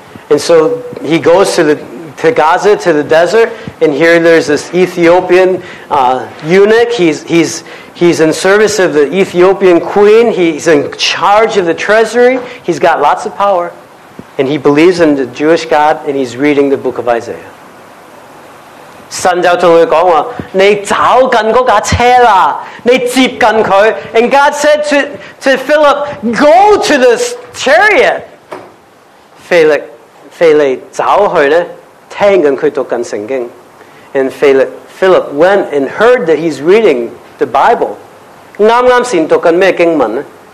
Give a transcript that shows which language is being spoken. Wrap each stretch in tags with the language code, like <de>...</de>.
<en>And so he goes to Gaza, to the desert, and here there's this Ethiopian eunuch. He's in service of the Ethiopian queen. He's in charge of the treasury. He's got lots of power. And he believes in the Jewish God, and he's reading the book of Isaiah.</en> <yue>神就跟他说，你找紧那架车啦，你接近他。</yue> <en>And God said to Philip, go to this chariot, Felix.</en> <yue>腓力走去呢，听紧佢读紧圣经，</yue> <en>and Philip went and heard that he's reading the Bible.</en> <yue>啱啱先读紧咩经文呢？</yue>